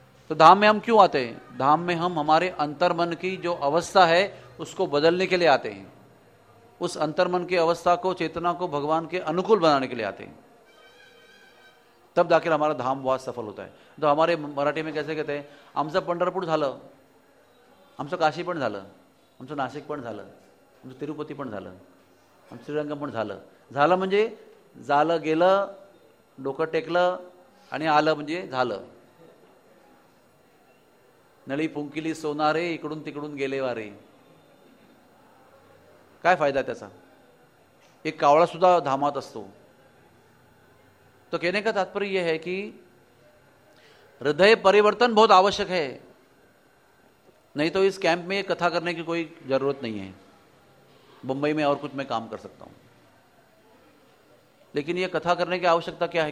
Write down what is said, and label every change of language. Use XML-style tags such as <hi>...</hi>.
<hi>तो धाम में हम क्यों आते हैं, धाम में हम हमारे अंतर मन की जो अवस्था है उसको बदलने के लिए आते हैं, उस अंतर मन की अवस्था को, चेतना को भगवान के अनुकूल बनाने के लिए आते हैं, तब जाकर हमारा धाम बहुत सफल होता है। तो हमारे मराठी में कैसे कहते हैं,</hi> <mr>आमचं पंढरपूर झालं, आमचं काशी पण झालं, आमचं नाशिक पण झालं, आमचं तिरुपती पण झालं, आमचं श्रीरंग पण झालं। झालं म्हणजे झालं, गेलं, डोकं टेकलं आणि आलं म्हणजे झालं। नळी फुंकिली सोनारे, इकडून तिकडून गेले वारे, काय फायदा त्याचा। एक कावळा सुद्धा धामात असतो.</mr> <hi>तो कहने का तात्पर्य है कि हृदय परिवर्तन बहुत आवश्यक है, नहीं तो इस कैंप में ये कथा करने की कोई जरूरत नहीं है. मुंबई में और कुछ मैं काम कर सकता हूं, लेकिन ये कथा करने की आवश्यकता क्या है?</hi>